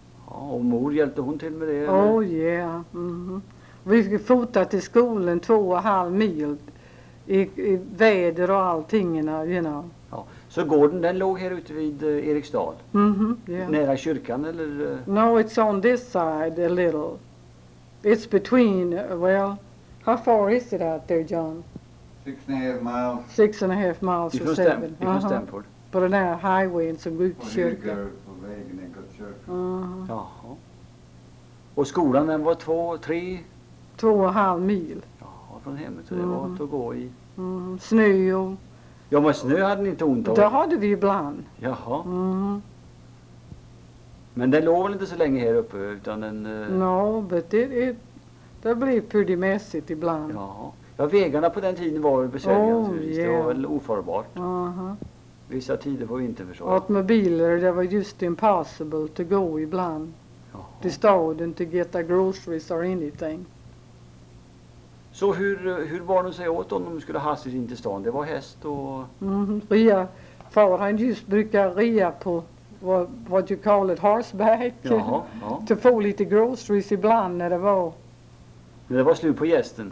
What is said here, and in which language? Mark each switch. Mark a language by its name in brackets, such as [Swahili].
[Swedish] Ja, och mor hjälpte hon till med det? [English] Eller? Oh yeah, mm-hmm. [Swedish] Vi fick fota till skolan 2,5 mil i väder och allting, [English] you know. [Swedish] Ja, så gården den låg här ute vid Eriksdal? [English] Mm-hmm, yeah. [Swedish] Nära kyrkan eller? [English] No, it's on this side a little. It's between, well, how far is it out there, John? 6.5 miles. 6.5 miles [Swedish] or 7. Ifrån Stamford. På den här highwayen som går ut till kyrkan. På vägen in till kyrkan. Jaha. Och skolan den var 2-3? 2,5 mil. Ja, från hemmet. Så det var att gå i. Mm. Snö och... Ja, men snö hade ni inte ont av. Det hade vi ibland. Jaha. Mm. Men den låg väl inte så länge här uppe utan den... [English] No, but [Swedish] det blev [English] pretty [Swedish] messigt ibland. Ja, vägarna på den tiden var ju besvärliga. Det var väl ofarbart. Uh-huh. Vissa tider får vi inte förstå. Automobiler, det var [English] just impossible to go [Swedish] ibland. Jaha. Till staden [English] to get the groceries or anything. [Swedish] Så hur var de sig åt om de skulle hastigt in till stan? Det var häst och... Ria. Far, han just brukar ria på, [English] what you call it, horseback. [Swedish] Jaha, ja. To få lite groceries ibland när det var... När det var slut på gästen?